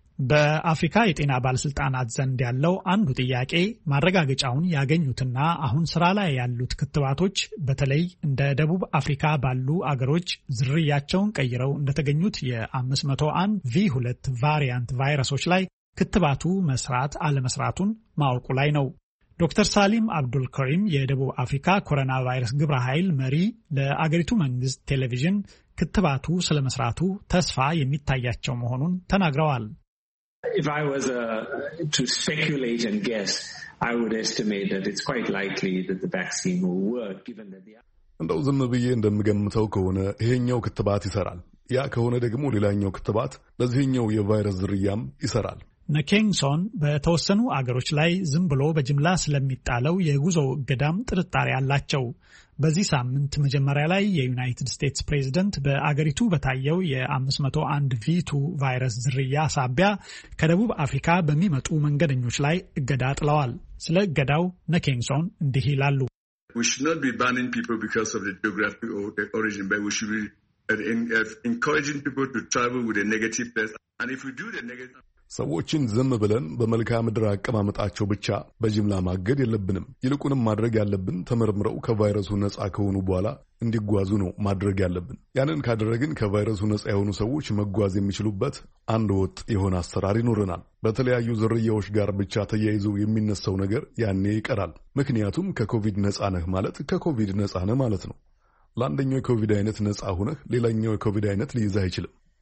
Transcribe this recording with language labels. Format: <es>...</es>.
<am>በአፍሪካ የጤና ባለስልጣናት ዘንድ ያለው አንዱ ጥያቄ ማረጋገጫውን ያገኙትና አሁን ስራ ላይ ያሉት ክትባቶች በተለይ እንደ ደቡብ አፍሪካ ባሉ አገሮች ዝርያቸውን ቀይረው እንደተገኙት የ501V2 ቫሪያንት ቫይረሶች ላይ ክትባቱ መስራት አለመስራቱን ማወቁ ላይ ነው። ዶክተር ሳሊም አብዱል ከሪም የደቡብ አፍሪካ ኮሮና ቫይረስ ግብረ ኃይል መሪ ለአገሪቱ መንግስት ቴሌቪዥን ክትባቱ ስለመስራቱ ተስፋ የሚታያቸው መሆኑን ተናግረዋል።</am> <en>If I was to speculate and guess, I would estimate that it's quite likely that the vaccine will work, given that</en> <am>እንደው ዝም ብዬ እንደምገምተው ከሆነ ይሄኛው ክትባት ይሰራል። ያ ከሆነ ደግሞ ሌላኛው ክትባት ለዚህኛው የቫይረስ ዝርያም ይሰራል። ነኬንግሶን በተወሰኑ አገሮች ላይ ዝም ብሎ በጅምላ ስለሚጣለው የጉዞ እገዳም ጥርጣሬ አላቸው። በዚህ ሳምንት መጀመሪያ ላይ የዩናይትድ ስቴትስ ፕሬዝደንት በአገሪቱ በታየው የ501V2 ቫይረስ ዝርያ ሳቢያ ከደቡብ አፍሪካ በሚመጡ መንገደኞች ላይ እገዳ ጥለዋል። ስለ እገዳው ነኬንግሶን እንዲህ ይላሉ።</am> <en>We should not be banning people because of the geography or the origin, but we should be encouraging people to travel with a negative test. And if we do the negative...</en> <am>ሰዎችን ዝም ብለን በመልካ ምድር አቀማመጣቸው ብቻ በጅምላ ማገድ የለብንም። ይልቁንም ማድረግ ያለብን ተመርምረው ከቫይረሱ ነጻ ከሆኑ በኋላ እንዲጓዙ ነው ማድረግ ያለብን። ያንን ካደረግን ከቫይረሱ ነጻ የሆኑ ሰዎች መጓዝ የሚችሉበት አንድ ወጥ የሆነ አሰራር ይኖረናል። በተለያዩ ዝርያዎች ጋር ብቻ ተያይዘው የሚነሳው ነገር ያኔ ይቀራል። ምክንያቱም ከኮቪድ ነጻ ነህ ማለት ከኮቪድ ነጻ ነህ ማለት ነው። ለአንደኛው የኮቪድ አይነት ነጻ ሆነህ ሌላኛው የኮቪድ አይነት ሊይዝህ አይችልም።</am>